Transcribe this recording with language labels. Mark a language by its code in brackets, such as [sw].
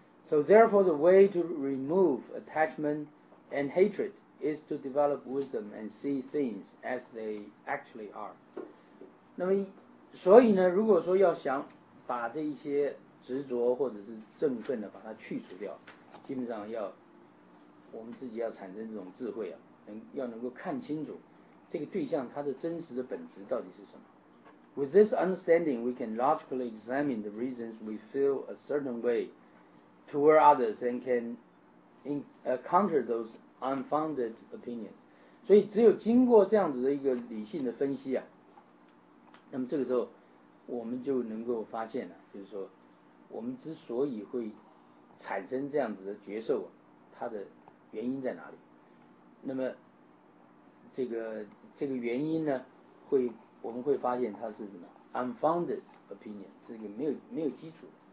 [en] So therefore, the way to remove attachment and hatred is to develop wisdom and see things as they actually are. [zh] 那么所以呢，如果说要想把这一些执着或者是憎恨的把它去除掉，基本上要我们自己要产生这种智慧啊，要能够看清楚这个对象它的真实的本质到底是什么。 [en] With this understanding, we can logically examine the reasons we feel a certain way toward others and can counter those unfounded opinions. [zh] 所以只有经过这样子的一个理性的分析啊，那么这个时候我们就能够发现了，就是说我们之所以会产生这样子的觉受，它的原因在哪里？那么这个原因呢，我们会发现它是什么 ？ [en] unfounded opinion， [zh] 是一个没有基础的。